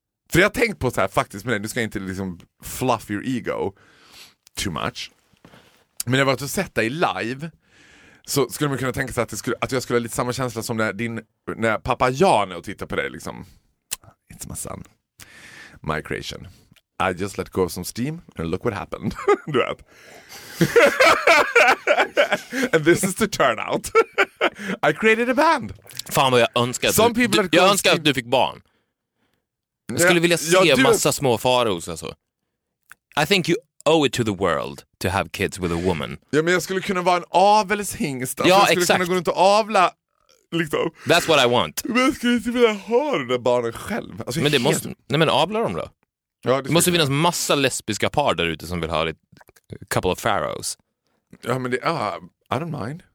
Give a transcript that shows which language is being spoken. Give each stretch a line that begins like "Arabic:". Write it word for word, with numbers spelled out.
Swedish: För jag har tänkt på så här faktiskt med det. Du ska inte liksom
English: fluff your ego too much.
Swedish: Men när jag varit och sett dig live så skulle man kunna tänka sig att, det skulle, att jag skulle ha lite samma känsla som när, din, när pappa Jan är och tittar på dig liksom.
English: It's my son. My creation. I just let go of some steam and look what happened.
Swedish: Du vet.
English: And this is the turnout. I created a band.
Swedish: Fan vad jag önskar att, du, du, jag önskar att du fick barn. Jag skulle vilja se ja, du... massa små faros alltså.
English: I think you owe it to the world to have kids with a woman.
Swedish: Ja, men jag skulle kunna vara en avelshingst. Alltså, ja, jag skulle exakt. kunna gå runt och avla liksom.
English: That's what I want.
Swedish: Men jag skulle inte vilja ha den där barnen själv. Alltså, men det helt... måste... Nej, men avla dem då. Ja, det måste finnas massa lesbiska par där ute som vill ha ett
English: couple of pharaohs.
Swedish: Ja, men det...
English: Uh, I don't mind.